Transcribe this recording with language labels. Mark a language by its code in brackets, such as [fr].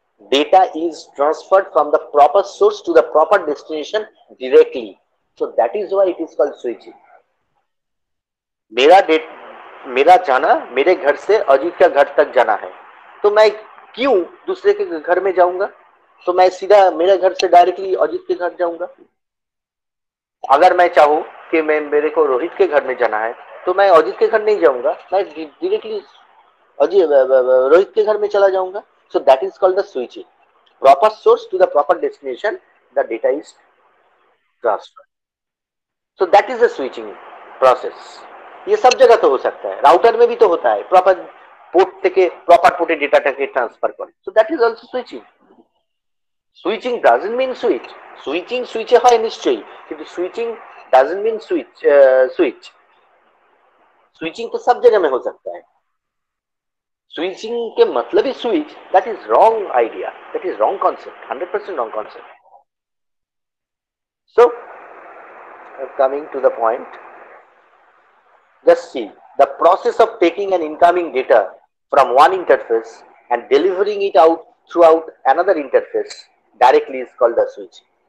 [en] Data is transferred from the proper source to the proper destination directly. So that is why it is called switching. [hi] मेरा जाना मेरे घर से अजीत का घर तक जाना है, तो मैं क्यों दूसरे के घर में जाऊंगा? तो मैं सीधा मेरे घर से डायरेक्टली अजीत के घर जाऊंगा? अगर मैं चाहूँ कि मैं मेरे को रोहित के घर में जाना है, तो मैं अजीत के घर नहीं जाऊंगा, मैं डायरेक्टली अजीत रोहित के घर में चला जाऊंगा। [en] So that is called the switching. Proper source to the proper destination, the data is transferred. So that is the switching process. [hi] ये सब जगह तो हो सकता है, router में भी तो होता है, proper port तक proper port data तक transfer करे। [en] So that is also switching. Switching doesn't mean switch. Switching switch [hi] है निश्चय, किंतु [en] switching doesn't mean switch. Switch. [hi] Switching तो सब जगह में हो सकता है। स्विचिंग के मतलब ही switch, [en] That is wrong idea, that is wrong concept, 100% wrong concept. So coming to the point, just see the process of taking an incoming data from one interface and delivering it out through out another interface directly is called the switch.